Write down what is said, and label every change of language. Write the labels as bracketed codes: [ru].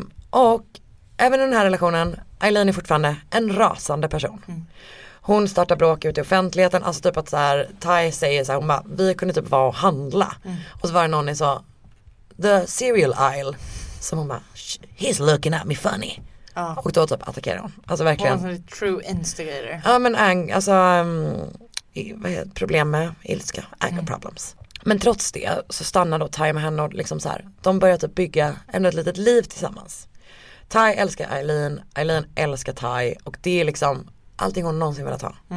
[sv] Och även i den här relationen, Eileen är fortfarande en rasande person. Hon startar bråk ute i offentligheten. Alltså typ att så här, Ty säger så här, hon bara, vi kunde typ vara och handla. Och så var det någon som sa, [en] the cereal aisle. [sv] Som hon bara, [en] he's looking at me funny. [sv] Och då typ attackerar hon. Alltså verkligen. Hon är en [en] true instigator. [sv] Ja, men alltså, vad heter problem med ilska? [en] Anger problems. [sv] Men trots det så stannar då Ty med henne och liksom så här, de börjar typ bygga ändå ett litet liv tillsammans. Ty älskar Eileen, Eileen älskar Ty, och det är liksom allting hon någonsin velat ha.